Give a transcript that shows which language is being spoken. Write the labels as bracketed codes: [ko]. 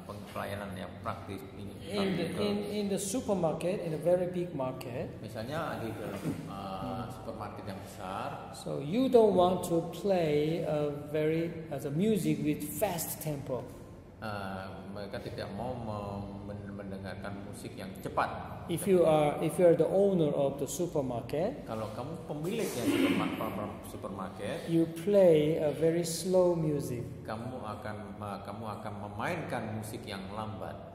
[id] Pelayanan yang praktis ini. [en] In the supermarket, in a very big market. [id] Misalnya di dalam supermarket yang besar. [en] So you don't want to play a very as a music with fast tempo. [id] Mereka tidak mau mendengarkan musik yang cepat. [en] If you are the owner of the supermarket. [id] Kalau kamu pemiliknya supermarket. [en] You play a very slow music. [id] Kamu akan memainkan musik yang lambat.